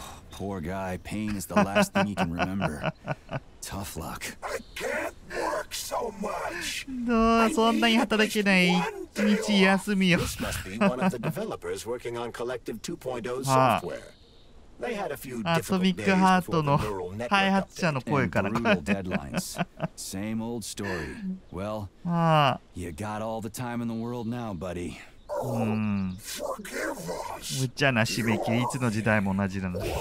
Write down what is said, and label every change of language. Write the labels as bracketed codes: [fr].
[en] Poor guy, pain is the last thing he can remember. Tough luck. I can't work so much. [ja] どう、そんなに働けない一日休みよ。 [en] This must be one of the developers working on Collective 2.0 software. They had a few difficult days before the neural network update and brutal deadlines. Same old story. Well, you got all the time in the world now, buddy. [ja] むちゃな締め切り、いつの時代も同じだな。